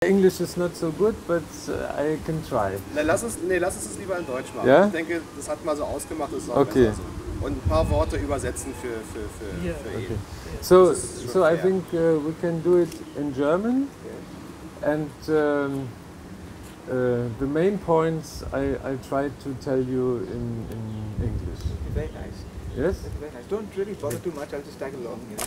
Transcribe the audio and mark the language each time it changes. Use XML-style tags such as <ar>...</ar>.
<en>English is not so good, but I can try.</en> <de>Lass uns lieber in Deutsch machen.</de> <en>Yeah?</en> <de>Ich denke, das hat mal so ausgemacht, das ist auch okay. Besser so. Und ein paar Worte übersetzen für ihn. Okay.</de> <en>So I think we can do it in German. Yeah. And the main points I'll try to tell you in English. Very nice. Yes? Very nice. Don't really bother too much, I'll just tag along.</en>